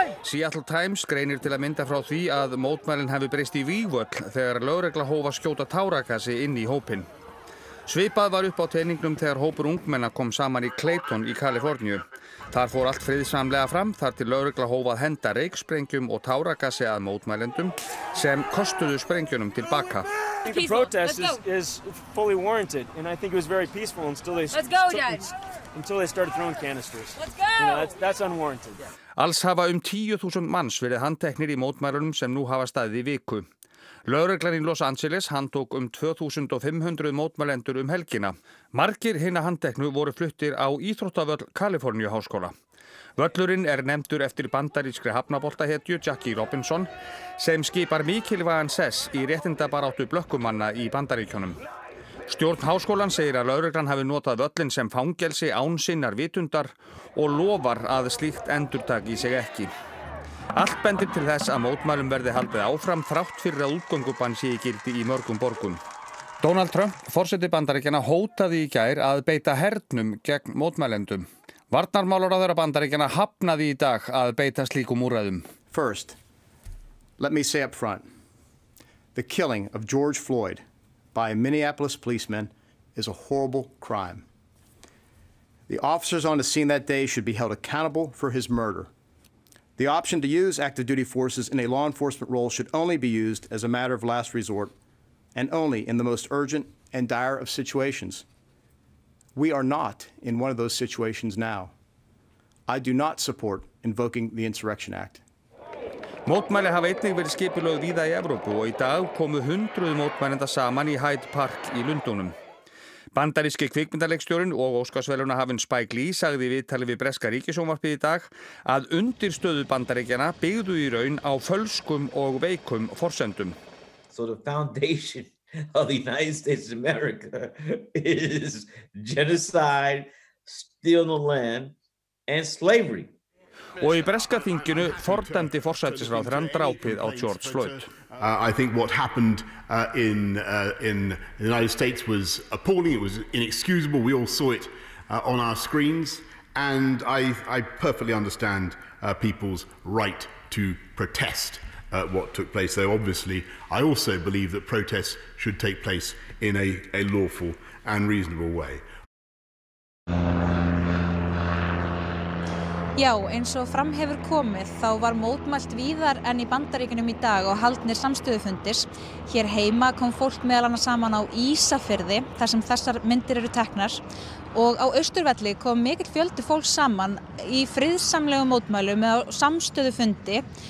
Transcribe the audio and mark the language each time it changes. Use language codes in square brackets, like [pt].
[is] Seattle Times greinir til að mynda frá því að mótmælin hafi breyst í vígvöll þegar lögregla hóf að skjóta táragasi inn í hópinn. Svipað var upp á teiningnum þegar hópur ungmenna kom saman í Clayton í Kaliforníu. Þar fór allt friðsamlega fram þar til lögregla hóf að henda reyksprengjum og táragasi að mótmælendum sem kostuðu sprengjunum til baka. [en] I think the protest is fully warranted, and I think it was very peaceful until they started throwing canisters. Let's go! You know, that's unwarranted. [is] Alls hafa 10,000 manns verið handteknir í mótmælunum sem nú hafa staðið í viku. Lögreglan í Los Angeles handtók 2,500 mótmælendur helgina. Margir hinna handteknu voru fluttir á íþróttavöll Kaliforníu háskóla. Völlurinn nefndur eftir bandarískri hafnaboltahetju Jackie Robinson sem skipar mikilvægan sess í réttindabaráttu blökkumanna í Bandaríkjunum. Stjórn háskólan segir að lögreglan hafi notað völlin sem fangelsi án sinnar vitundar og lofar að slíkt endurtaki sig ekki. Allt bendir til þess að mótmælum verði haldið áfram þrátt fyrir að útgöngubann sé í gildi í mörgum borgum. Donald Trump, forseti Bandaríkjanna, hótaði í gær að beita hernum gegn mótmælendum. Varnarmálaráðherra Bandaríkjanna hafnaði í dag að beita slíkum úrræðum. [en] First, let me say up front, the killing of George Floyd by a Minneapolis policeman is a horrible crime. The officers on the scene that day should be held accountable for his murder. The option to use active duty forces in a law enforcement role should only be used as a matter of last resort and only in the most urgent and dire of situations. We are not in one of those situations now. I do not support invoking the Insurrection Act. [is] Mótmæli hafa einnig verið skipulögð víða í Evrópu og í dag komu 100 mótmælenda saman í Hyde Park í Lundúnum. Bandaríski kvikmyndaleikstjórinn og Óskarsverðlaunahafinn Spike Lee sagði í viðtali við breska ríkissjónvarpið í dag að undirstöðu Bandaríkjanna byggðu í raun á fölskum og veikum forsendum. [en] So the foundation of the United States of America is genocide, stealing the land and slavery. [is] Og í breska þinginu fordæmdi forsætisráðherrann drápið á George Floyd. [en] I think what happened in the United States was appalling, it was inexcusable, we all saw it on our screens and I perfectly understand people's right to protest what took place. Though obviously I also believe that protests should take place in a lawful and reasonable way. [is] Já, eins og fram hefur komið, þá var mótmælt víðar en í Bandaríkjunum í dag og haldnir samstöðufundir. Hér heima kom fólk meðal annars saman á Ísafirði, þar sem þessar myndir eru teknar. Og á Austurvelli kom mikill fjöldi fólks saman í friðsamlegum mótmælum eða samstöðu fundi.